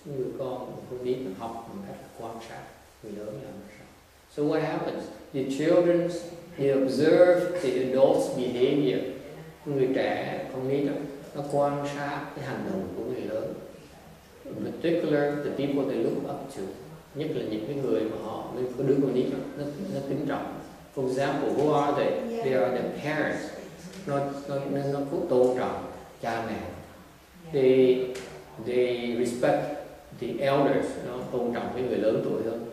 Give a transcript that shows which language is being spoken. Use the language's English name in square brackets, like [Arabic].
[Vietnamese] Người con không biết mà học bằng cách quan sát, người lớn làm sao. [English] So what happens? The children, they observe the adult's behavior. [Vietnamese] Người trẻ không biết đâu, nó quan sát cái hành động của người lớn. [English] In particular, the people they look up to. [Vietnamese] Nhất là những cái người mà họ, mình có đứa con nít đó, nó kính trọng. [English] For example, who are they? They are their parents. [Vietnamese] Nó cũng tôn trọng cha mẹ. [English] They they respect the elders, you know, [Vietnamese] tôn trọng những người lớn tuổi hơn.